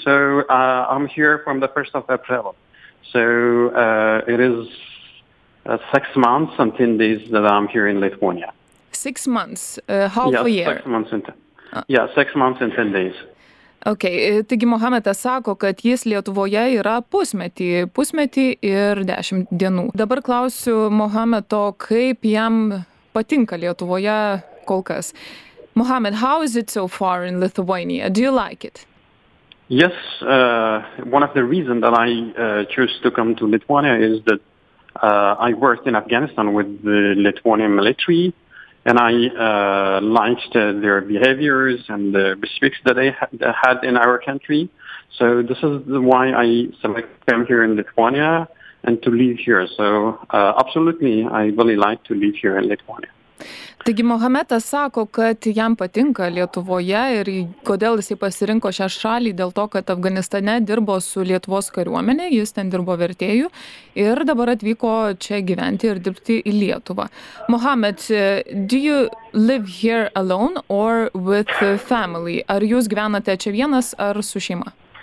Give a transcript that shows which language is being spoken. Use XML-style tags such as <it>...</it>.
<en>So, I'm here from the 1st of April. So, it is 6 months and 10 days that I'm here in Lithuania. 6 months, half a year. Six months and 10 days.</en> <lt>Okay, taigi Mohametas sako, kad jis Lietuvoje yra pusmetį ir 10 dienų. Dabar klausiu Mohameto, kaip jam patinka Lietuvoje kol kas.</lt> <en>Mohamed, how is it so far in Lithuania? Do you like it? Yes, one of the reasons that I choose to come to Lithuania is that I worked in Afghanistan with the Lithuanian military. And I liked their behaviors and the restrictions that they had in our country. So this is why I came here in Lithuania and to live here. So absolutely, I really like to live here in Lithuania.</en> <lt>Taigi Mohametas sako, kad jam patinka Lietuvoje ir kodėl jisai pasirinko šią šalį, dėl to, kad Afganistane dirbo su Lietuvos kariuomenė, jis ten dirbo vertėjų ir dabar atvyko čia gyventi ir dirbti į Lietuvą.</lt> <en>Mohamed, do you live here alone or with family?</en> <lt>Ar jūs gyvenate čia vienas ar su šeima?</lt>